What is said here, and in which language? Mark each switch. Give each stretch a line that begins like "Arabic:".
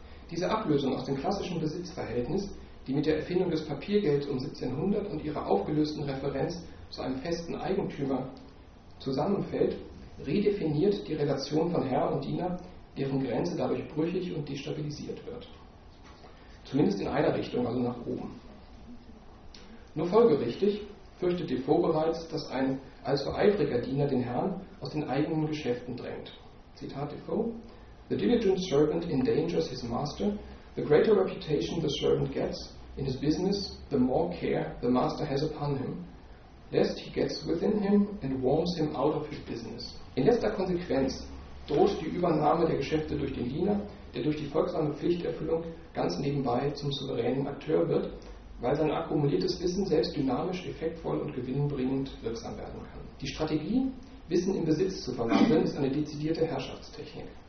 German: Diese Ablösung aus dem klassischen Besitzverhältnis, die mit der Erfindung des Papiergelds um 1700 und ihrer aufgelösten Referenz zu einem festen Eigentümer zusammenfällt, redefiniert die Relation von Herr und Diener, deren Grenze dadurch brüchig und destabilisiert wird. Zumindest in einer Richtung, also nach oben. Nur folgerichtig fürchtet Defoe bereits, dass ein allzu eifriger Diener den Herrn aus den eigenen Geschäften drängt.
English: Zitat Defoe: The diligent servant endangers his master. The greater reputation the servant gets in his business, the more care the master has upon him, lest he gets within him and warms him out of his business.
German: In letzter Konsequenz droht die Übernahme der Geschäfte durch den Diener, der durch die folgsame Pflichterfüllung ganz nebenbei zum souveränen Akteur wird, weil sein akkumuliertes Wissen selbst dynamisch, effektvoll und gewinnbringend wirksam werden kann. Die Strategie, Wissen in Besitz zu verwandeln, ist eine dezidierte Herrschaftstechnik.